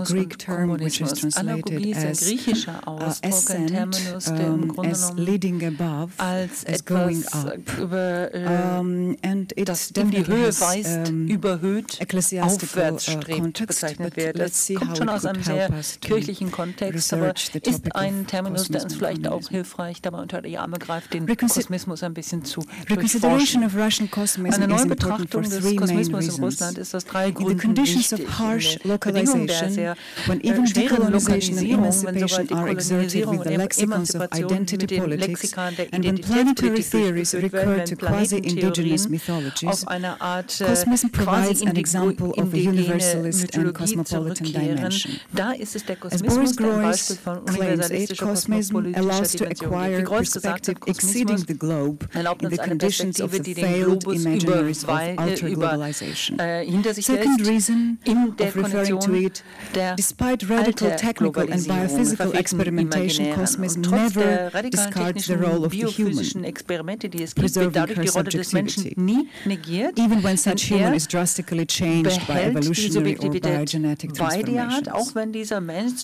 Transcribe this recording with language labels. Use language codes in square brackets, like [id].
[en] is a Greek term which is translated as ascent, as leading above, [de] als [en] as going up. And it's definitely ecclesiastical context, but let's see how it could help us to research the topic of Cosmism. [de] Ist ein Terminus, der uns vielleicht auch hilfreich dabei unter die Arme greift, den Kosmismus ein bisschen zu durchforschen. Eine neue Betrachtung des Kosmismus in Russland ist aus drei Gründen wichtig. In der Bedingung der sehr schweren Lokalisierung, wenn sogar Dekolonisierung und Emanzipation mit dem Lexikon der Identitätspolitik geführt wird, wenn Planetentheorien auf eine Art quasi-indigene Mythologie zurückkehren, da ist es der Kosmismus, der ein Beispiel von universalistischer kosmopolitischer Dimension. [en] Perspective exceeding the globe in the conditions of the failed imaginaries of altered globalization. Second reason of referring to it, despite radical technical and biophysical experimentation, cosmism never discards the role of the human, preserving her subjectivity, even when such human is drastically changed by evolutionary or biogenetic transformations.